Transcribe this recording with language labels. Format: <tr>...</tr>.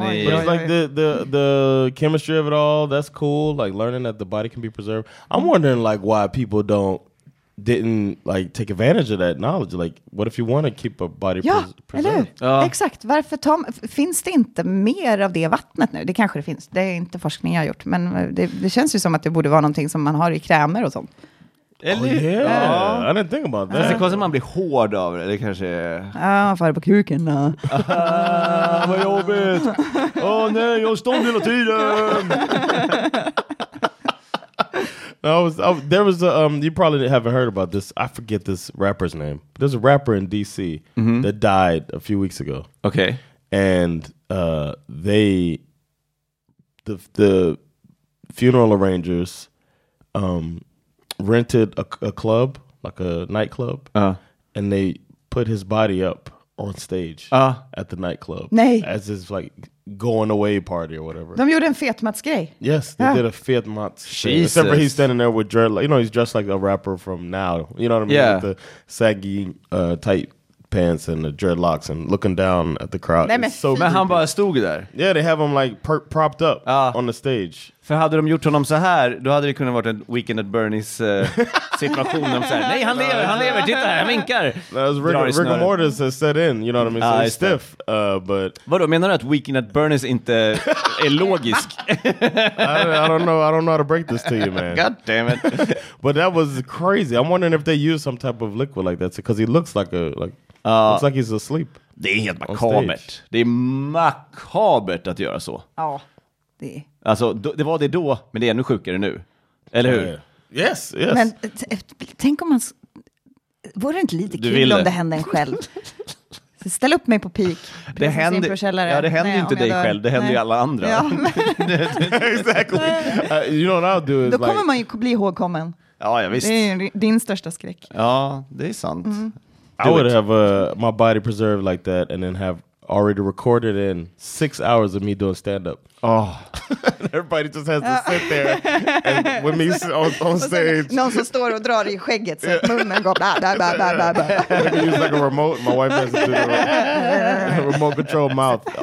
<en>it's like the chemistry of it all. That's cool. Like learning that the body can be preserved. I'm wondering like why people didn't like take advantage of that knowledge. Like what if you want to keep a body preserved?</en> <sv>Ja. Exakt. Varför finns det inte mer av det vattnet nu? Det kanske det finns. Det är inte forskning jag har gjort. Men det känns ju som att det borde vara någonting som man har i krämer och sånt.</sv> <en>Oh, yeah. I didn't think about that.</en> <sv>Det kostar man blir hård av det, kanske. Ja, far på kuken då. Vad jobbigt. Åh nej, jag står hela tiden.</sv> <en>You probably haven't heard about this. I forget this rapper's name. There's a rapper in DC that died a few weeks ago. Okay. And the funeral arrangers rented a club, like a nightclub, and they put his body up on stage at the nightclub.</en> <sv>Nej.</sv> <en>As his like going away party or whatever.</en> <sv>De gjorde en Fet-Mats grej.</sv> <en>Yes, they did a Fet-Mats. Jesus. Except he's standing there with dread, like, you know, he's dressed like a rapper from now. You know what I mean? Yeah. With the saggy tight pants and the dreadlocks and looking down at the crowd.</en> <sv>Nej, so men han bara stod där.</sv> <en>Yeah, they have him like propped up on the stage.</en> <sv>För hade de gjort honom så här, då hade det kunnat varit en Weekend at Bernie's situation. De så här, nej, han lever, han lever, titta här, han vinkar.</sv> <en>That was rigor mortis has set in, you know what I mean? So stiff, but...</en> <sv>Vadå, menar du att Weekend at Bernie's inte är logisk?</sv> <en>I don't know how to break this to you, man. God damn it. But that was crazy. I'm wondering if they use some type of liquid like that, because he looks like looks like he's asleep.</en> <sv>Det är helt makabert. Det är makabert att göra så. Ja, det är... Alltså, det var det då, men det är ännu sjukare nu. Eller hur?</sv> <en>Yes, yes.</en> <sv>Men tänk om man... Vore det inte lite kul om det hände en själv? Så ställ upp mig på peak. Det händer, ja, det händer inte dig själv, det händer ju alla andra. Ja,</sv> <en>exactly. You know what I'll do is</en> <sv>då</sv> <en>like...</en> <sv>kommer man ju bli ihågkommen. Ja, ja, visst. Det är din största skräck. Ja, det är sant. Mm.</sv> <en>I would have my body preserved like that and then have already recorded in 6 hours of me doing stand-up. Oh. Everybody just has to sit there and with me on stage.</en> <sv>Någon som står och drar i skägget så att munnen går blah, blah, blah, blah, blah, blah.</sv> <en>I can use like a remote. My wife has to do the remote control mouth.</en>